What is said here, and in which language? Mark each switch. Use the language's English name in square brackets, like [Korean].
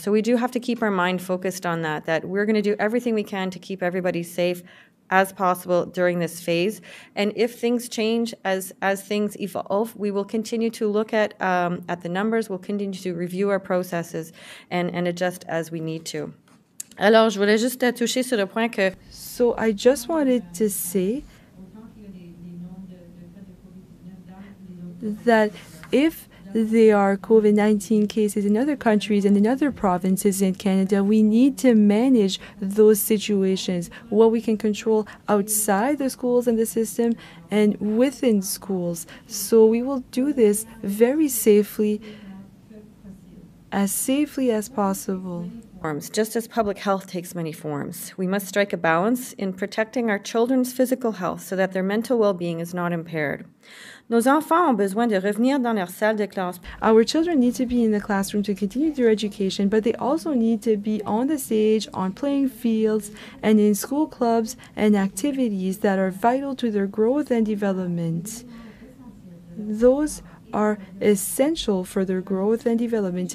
[English] So we do have to keep our mind focused on that, that we're going to do everything we can to keep everybody safe as possible during this phase. And if things change as things evolve, we will continue to look at the numbers, we'll continue to review our processes and adjust as we need to. [French] Alors, je voulais juste toucher sur le point que... [English] So I just wanted to say that if there are COVID-19 cases in other countries and in other provinces in Canada, we need to manage those situations. What we can control outside the schools and the system and within schools. So we will do this very safely as possible. Just as public health takes many forms, we must strike a balance in protecting our children's physical health so that their mental well-being is not impaired. [French] Nos enfants ont besoin de revenir dans leur salle de classe. [English] Our children need to be in the classroom to continue their education, but they also need to be on the stage, on playing fields, and in school clubs and activities that are vital to their growth and development. Those are essential for their growth and development.